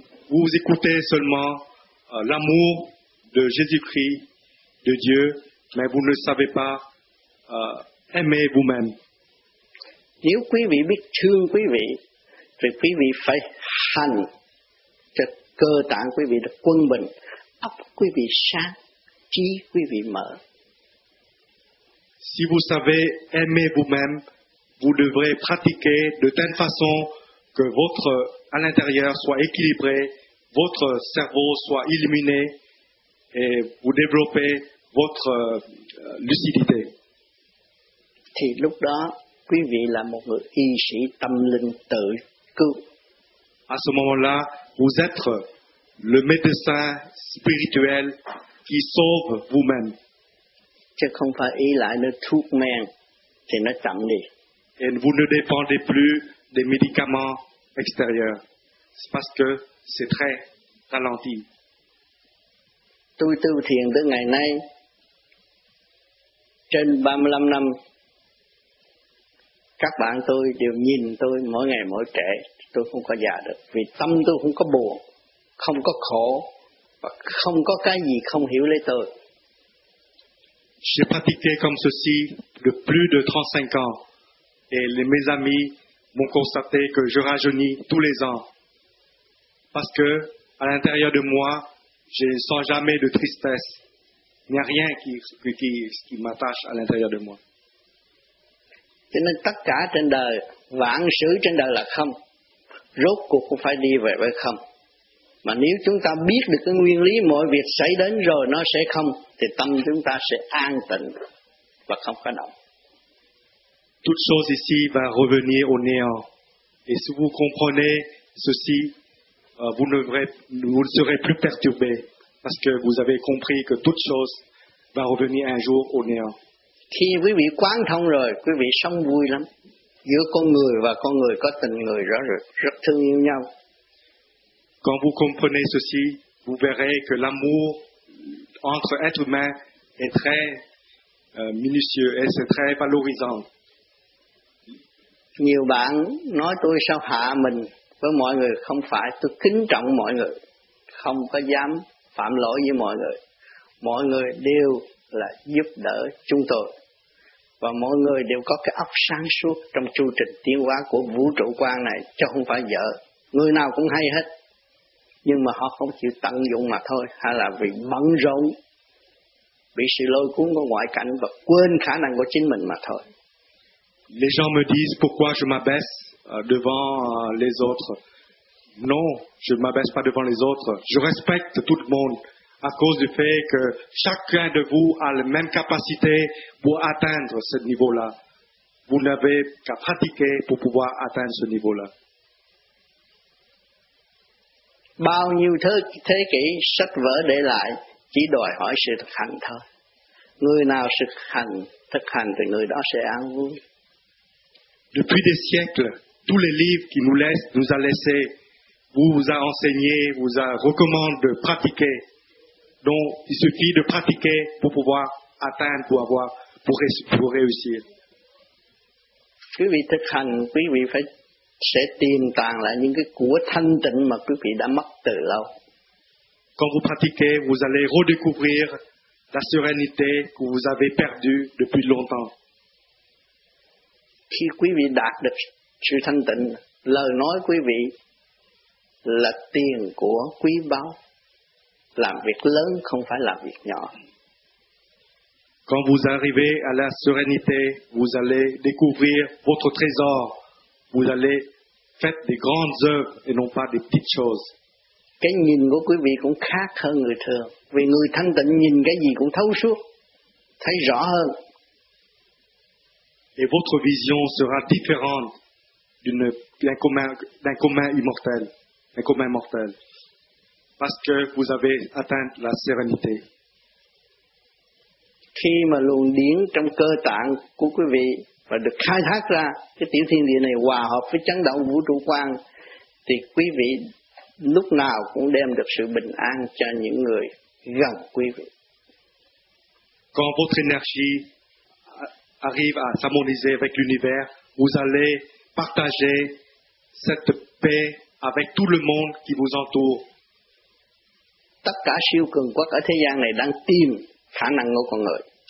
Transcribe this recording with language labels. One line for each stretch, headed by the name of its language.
French: Vous écoutez seulement l'amour de Jésus-Christ, de Dieu, mais vous ne savez pas aimer vous-même.
Vietnamese: Nếu quý vị biết thương quý vị, thì quý vị phải hành cho cơ tạng quý vị được quân bình, óc quý vị sáng, trí quý vị mở.
French: Si vous savez aimer vous-même, vous devrez pratiquer de telle façon que votre à l'intérieur soit équilibré, votre cerveau soit illuminé et vous développez votre lucidité.
Vietnamese: Thì lúc đó quý vị là một người y sĩ tâm linh tự cứu.
French: À ce moment-là, vous êtes le médecin spirituel qui sauve vous-même.
Vietnamese: Chứ không phải y lại nó thuốc men thì nó chậm đi.
French: Et vous ne dépendez plus des médicaments extérieurs. C'est parce que c'est très ralenti.
Vietnamese: Tôi tu thiền tới ngày nay trên 35 năm. Các bạn tôi đều nhìn tôi mỗi ngày mỗi trẻ, tôi không có già được, vì tâm tôi không có buồn, không có khổ, và không có cái gì không hiểu lấy tôi.
French: J'ai pratiqué comme ceci de plus de 35 ans, et mes amis m'ont constaté que je rajeunis tous les ans, parce que à l'intérieur de moi, je ne sens jamais de tristesse, il n'y a rien qui m'attache à l'intérieur de moi.
Vietnamese: Cho nên tất cả trên đời, vạn sự trên đời là không, rốt cuộc cũng phải đi về với không. Mà nếu chúng ta biết được cái nguyên lý mọi việc xảy đến rồi nó sẽ không, thì tâm chúng ta sẽ an tịnh và không có động.
French: Toute chose ici va revenir au néant. Et si vous comprenez ceci, vous ne serez plus perturbé, parce que vous avez compris que toute chose va revenir un jour au néant.
Vietnamese: Khi quý vị quán thông rồi, quý vị sống vui lắm. Giữa con người có tình người rõ rệt, rất thương yêu nhau.
French: Quand vous comprenez ceci, vous verrez que l'amour entre êtres humains est très minutieux et c'est très valorisant.
Vietnamese: Nhiều bạn nói tôi sao hạ mình với mọi người, không phải, tôi kính trọng mọi người, không có dám phạm lỗi với mọi người. Mọi người đều là giúp đỡ chúng tôi và mọi người đều có cái óc sáng suốt trong chu trình tiến hóa của vũ trụ quan này, chứ không phải dở. Người nào cũng hay hết, nhưng mà họ không chịu tận dụng mà thôi, hay là vì bận rộn, bị sự lôi cuốn của ngoại cảnh và quên khả năng của chính mình mà thôi.
French: Les gens me disent pourquoi je m'abaisse devant les autres, non, je ne m'abaisse pas devant les autres. Je respecte tout le monde à cause du fait que chacun de vous a la même capacité pour atteindre ce niveau-là. Vous n'avez qu'à pratiquer pour pouvoir atteindre ce niveau-là.
Vietnamese: Bao nhiêu thế kỷ sách vở để lại chỉ đòi hỏi sự thực hành thôi. Người nào thực hành thì người đó sẽ an vui.
French: Depuis des siècles, tous les livres qui nous a laissé, vous a enseigné, vous a recommandé de pratiquer. Donc, il suffit de pratiquer pour pouvoir atteindre, pour réussir.
Vietnamese: Quý vị thực hành, quý vị sẽ tiềm tàng lại những cái của thanh tịnh mà quý vị đã mất từ lâu.
French: Quand vous pratiquez, vous allez redécouvrir la sérénité que vous avez perdue depuis longtemps.
Vietnamese: Khi quý vị đạt được sự thanh tịnh, lời nói quý vị là tiền của quý báu, làm việc lớn không phải làm việc nhỏ.
French: Quand vous arrivez à la sérénité, vous allez découvrir votre trésor. Vous allez faire des grandes œuvres et non pas des petites choses.
Vietnamese: Cái nhìn của quý vị cũng khác hơn người thường, vì người thanh tịnh nhìn cái gì cũng thấu suốt, thấy rõ hơn.
French: Et votre vision sera différente d'un commun immortel, un commun mortel, parce que vous avez atteint la sérénité.
Vietnamese: Khi mà luồng điển trong cơ tạng của quý vị và được khai thác ra, cái tiểu thiên địa này hòa hợp với chấn động vũ trụ quan, thì quý vị lúc nào cũng đem được sự bình an cho những người gần quý vị.
French: Quand votre énergie arrive à s'harmoniser avec l'univers, vous allez partager cette paix avec tout le monde qui vous entoure.
Vietnamese: Tất cả siêu cường quốc ở thế gian này đang tìm khả năng của con người.